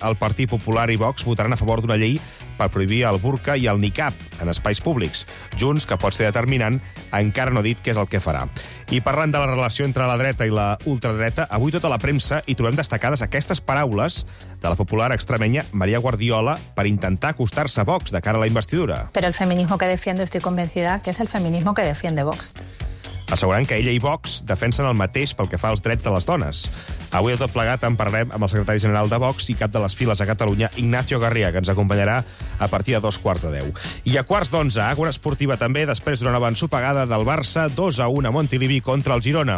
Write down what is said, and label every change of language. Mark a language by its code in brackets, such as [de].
[ca] El Partit Popular i Vox votaran a favor d'una llei per prohibir el burca i el niqab en espais públics. Junts, que pot ser determinant, encara no ha dit què és el que farà. I parlant de la relació entre la dreta i la ultradreta, avui tota la premsa hi trobem destacades aquestes paraules de la popular extremenya Maria Guardiola per intentar acostar-se a Vox de cara a la investidura. [es] Pero el feminismo que defiendo, estoy convencida, que es el feminismo que defiende Vox. [ca] Assegurant que ella i Vox defensen el mateix pel que fa als drets de les dones. Avui a tot plegat en parlarem amb el secretari general de Vox i cap de les files a Catalunya, Ignacio Garriga, que ens acompanyarà a partir de 10:15. I a 10:15, Àgora Esportiva també, després d'una nova ensopegada del Barça, 2-1 a Montilivi contra el Girona.